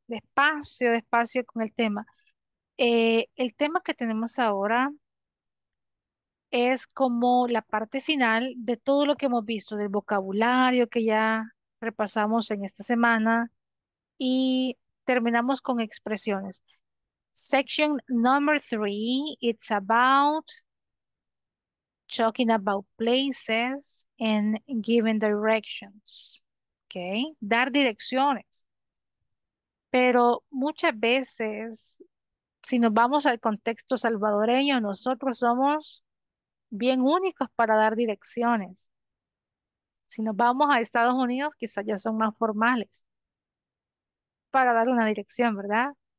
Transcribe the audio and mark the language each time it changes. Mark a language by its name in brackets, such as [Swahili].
[Spanish] Despacio, despacio con el tema. El tema que tenemos ahora es como la parte final de todo lo que hemos visto, del vocabulario que ya repasamos en esta semana y terminamos con expresiones. [English] Section number three, it's about talking about places and giving directions. [Spanish] Ok, dar direcciones. Pero muchas veces, si nos vamos al contexto salvadoreño, nosotros somos bien únicos para dar direcciones. Si nos vamos a Estados Unidos, quizás ya son más formales para dar una dirección, ¿verdad?